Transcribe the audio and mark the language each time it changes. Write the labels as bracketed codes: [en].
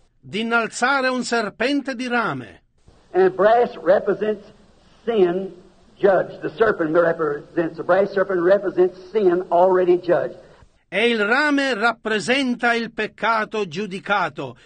[it] di innalzare un serpente di rame, [en] and brass represents sin judged. The serpent represents, the brass serpent represents sin already judged. [it] E il rame rappresenta il peccato giudicato.